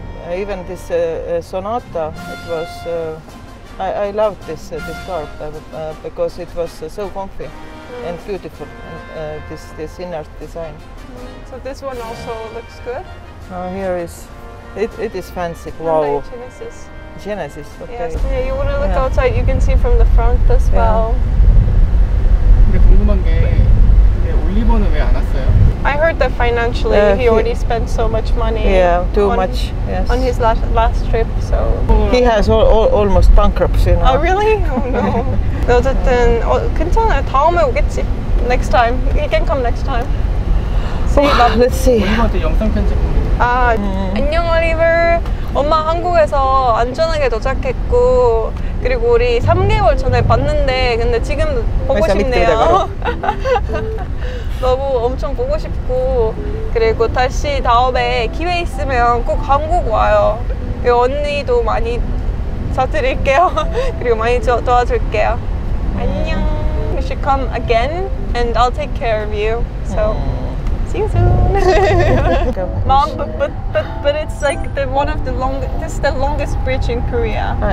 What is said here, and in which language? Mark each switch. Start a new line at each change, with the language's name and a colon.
English: Even this Sonata, it was. I loved this car because it was so comfy and beautiful, and this inner design. Mm. So this one also looks good. Oh, here is it is fancy. Wow. Genesis. Okay. Yes. Yeah, you want to look yeah. outside? You can see from the front as yeah. well.
Korean: 근데 궁금한 게 올리버는 왜 안 왔어요?
English: I heard that financially he already spent so much money. Yeah, too much. Yes. On his last trip, so he has almost bankruptcy. You know? Oh really? Oh no.
Korean: 어쨌든 괜찮아. 다음에 오겠지.
English: Next time he can come next time. See you. Let's see.
Korean: 올리버한테 영상 편지. 아 안녕 올리버. 엄마 한국에서 안전하게 도착했고 그리고 우리 3개월 전에 봤는데 근데 지금 보고 싶네요. 너무 엄청 보고 싶고 그리고 다시 다음에 기회 있으면 꼭 한국 와요. 언니도 많이 사드릴게요. 그리고 많이 도와줄게요. 안녕.
English: You should come again and I'll take care of you. So. See you soon. Mom, but it's like the longest bridge in Korea.